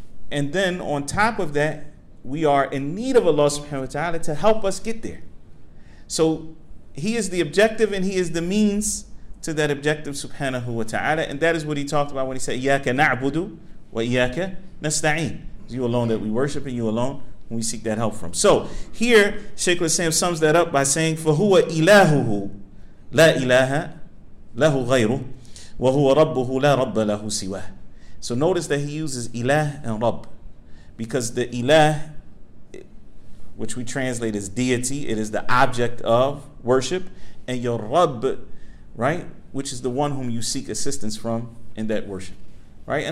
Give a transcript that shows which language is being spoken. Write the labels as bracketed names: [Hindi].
[English] And then on top of that, we are in need of Allah subhanahu wa ta'ala to help us get there. So he is the objective and he is the means to that objective subhanahu wa ta'ala. And that is what he talked about when he said, [Arabic] Iyaka na'budu wa iyaka nasta'in. [English] It's you alone that we worship and you alone we seek that help from. So here, Shaykh al-Islam sums that up by saying, [Arabic] فَهُوَ إِلَهُهُ لَا إِلَهَ لَهُ غَيْرُهُ وَهُوَ رَبُّهُ لَا رَبَّ لَهُ سِوَهُ. [English] So notice that he uses ilah and rabb, because the ilah, which we translate as deity, it is the object of worship, and your rabb, right, which is the one whom you seek assistance from in that worship, right?